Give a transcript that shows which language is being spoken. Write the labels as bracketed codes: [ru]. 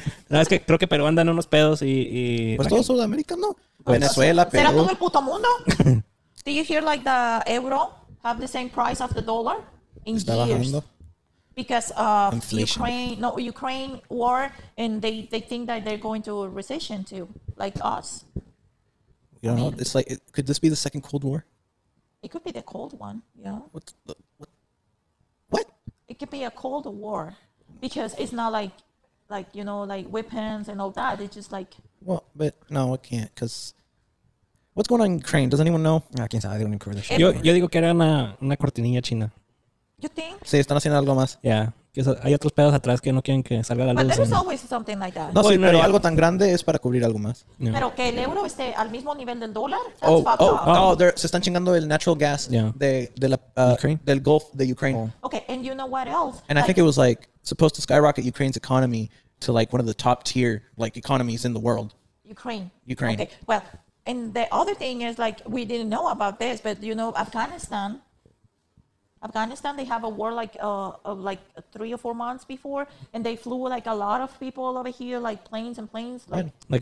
[es] No, es que creo que Perú anda en unos pedos y pues todo Sudamérica, ¿no? Venezuela, Perú. ¿Será todo el puto mundo? [en] Do you hear like the euro have the same price of the dollar in years? Because of Ukraine war, and they think that they're going to a recession too, like us. You know, it's like, could this be the second Cold War? It could be the cold one, yeah. What? It could be a cold war. Because it's not like, you know, like weapons and all that. It's just like. Well, but no, it can't. Because what's going on in Ukraine? Does anyone know? I can't say. I don't even cover the shit. [es] Yo digo que era una cortinilla china. [en] You think? [es] Sí, están haciendo algo más. [en] Yeah. [es] Que hay otros pedos atrás que no quieren que salga la luz. [en] But there's always something like that. [es] No, sí, pero algo tan grande es para cubrir algo más. [en] Yeah. [es] Pero que el euro esté al mismo nivel del dólar. Se están chingando el [en] natural gas [es] del Gulf de Ukraine. [en] Oh. Okay, and you know what else? And like, I think it was like supposed to skyrocket Ukraine's economy to like one of the top tier like economies in the world. Ukraine. Okay. Well, and the other thing is like we didn't know about this, but you know Afghanistan, they have a war like 3 or 4 months before, and they flew like a lot of people over here, like planes and planes, like